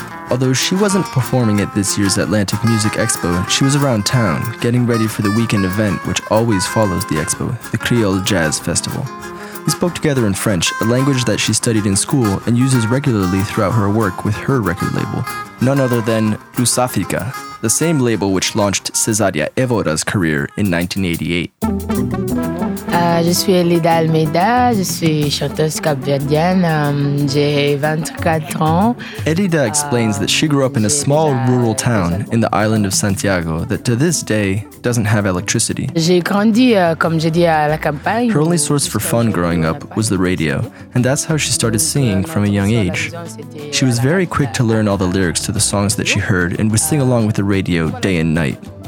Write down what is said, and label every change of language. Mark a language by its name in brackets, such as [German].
[English] Although she wasn't performing at this year's Atlantic Music Expo, she was around town, getting ready for the weekend event which always follows the expo, the Creole Jazz Festival. We spoke together in French, a language that she studied in school and uses regularly throughout her work with her record label, none other than Lusafika, the same label which launched Cesaria Evora's career in 1988. [French] Je suis Elida Almeida, je suis chanteuse capverdienne, j'ai 24 ans. [English] Elida explains that she grew up in a small rural town in the island of Santiago that to this day doesn't have electricity. Her only source for fun growing up was the radio, and that's how she started singing from a young age. She was very quick to learn all the lyrics to the songs that she heard and would sing along with the radio day and night.